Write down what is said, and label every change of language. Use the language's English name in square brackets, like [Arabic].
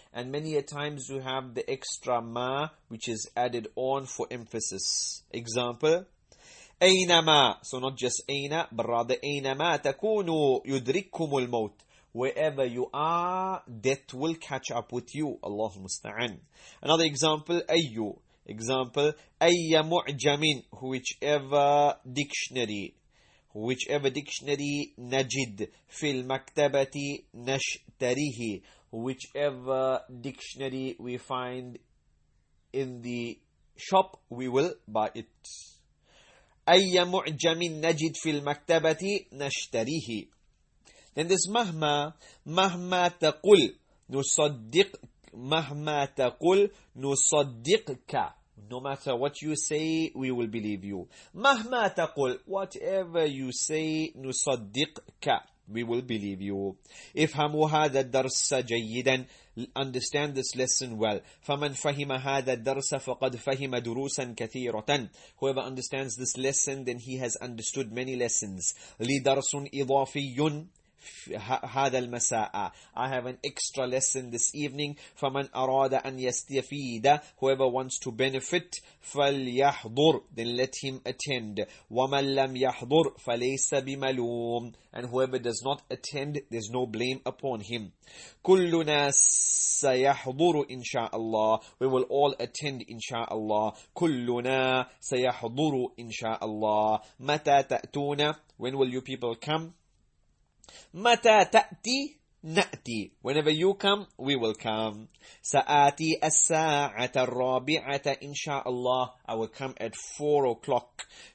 [English] And many a times you have the extra ma, which is added on for emphasis. Example, [Arabic] أَيْنَمَا. [English] So not just [Arabic] أَيْنَ, [English] but rather [Arabic] أَيْنَمَا تَكُونُوا يُدْرِكُمُ الْمَوْتِ. [English] Wherever you are, death will catch up with you. [Arabic] Allahu musta'an. [English] Another example, أَيُّ. Example, [Arabic] أَيَّ مُعْجَمٍ. [English] Whichever dictionary, [Arabic] najid, fil maktabati, nashtarihi. [English] Whichever dictionary we find in the shop, we will buy it. [Arabic] Ayya mu'jamin najid fil maktabati, nashtarihi. [English] Then this [Arabic] mahma taqul, nusaddiqka. [English] No matter what you say, we will believe you. [Arabic] مهما تقول, [English] whatever you say, [Arabic] نصدقك, [English] we will believe you. [Arabic] افهموا هذا الدرس جيدا, [English] understand this lesson well. [Arabic] فمن فهم هذا الدرس فقد فهم دروسا كثيرة. [English] Whoever understands this lesson, then he has understood many lessons. [Arabic] لدرس إضافي هذا المساء. [English] I have an extra lesson this evening. [Arabic] فمن أراد أن يستفيد, [English] whoever wants to benefit, [Arabic] فليحضر, [English] then let him attend. [Arabic] ومن لم يحضر فليس بملوم, [English] and whoever does not attend, there's no blame upon him. [Arabic] كلنا سيحضر إن شاء الله, [English] we will all attend [Arabic] إن شاء الله. كلنا سيحضر إن شاء الله. متى تأتون, [English] when will you people come? [Arabic] متى تأتي نأتي, [English] whenever you come we will come. [Arabic] سآتي الساعة الرابعة إن شاء الله, [English] I will come at 4 o'clock.